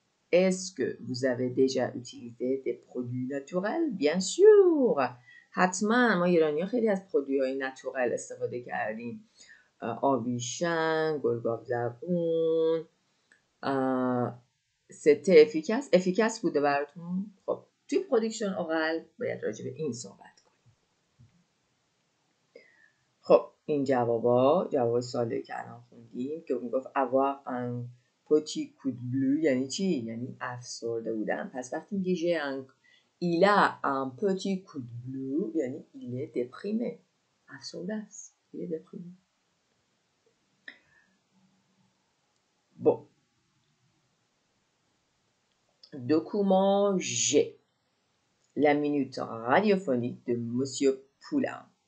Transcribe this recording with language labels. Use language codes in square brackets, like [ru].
[fr] Est-ce que vous avez déjà utilisé des produits naturels? Bien sûr. [fa] حتما ما ایرانی ها خیلی از پرودوی های ناتورال استفاده کردیم. آبیشن، گلگاف زبون، [fr] C'était efficace. Efficace pour développement de production orale. [fa] باید راجع به این صحبت کنیم. خب این جوابا جواب سالی که الان خوندیم که میگفت [fr] avoir un petit coup de bleu [fa] یعنی چی؟ یعنی افسرده بودن. پس وقتی میگه [fr] il a un petit coup de bleu [fa] یعنی [fr] il est déprimé. [fa] افسرده است. [fr] Il est déprimé. Bon. Document G. La minute radiophonique de Monsieur Poulain.